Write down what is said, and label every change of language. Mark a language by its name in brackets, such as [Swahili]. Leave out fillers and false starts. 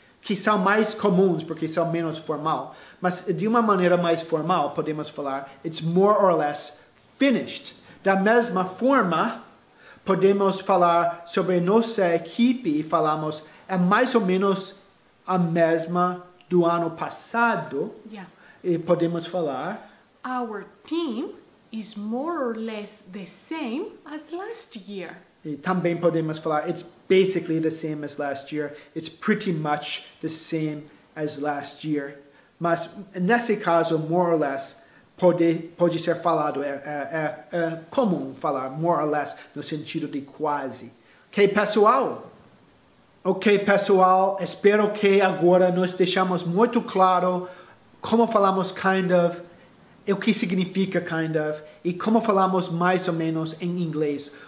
[Portuguese] Que são mais comuns, porque são menos formal. Mas de uma maneira mais formal, podemos falar, [English] it's more or less finished. [Portuguese] Da mesma forma, podemos falar sobre nossa equipe e falamos, é mais ou menos a mesma do ano passado. [English] Yeah. [Portuguese] E podemos falar, [English] our team is more or less the same as last year. [Portuguese] E também podemos falar, [English] it's basically the same as last year. It's pretty much the same as last year. [Portuguese] Mas nesse caso, more or less, pode ser falado, é comum falar more or less no sentido de quase. Ok, pessoal? Ok, pessoal, espero que agora nós deixamos muito claro como falamos kind of, e o que significa kind of, e como falamos mais ou menos em inglês.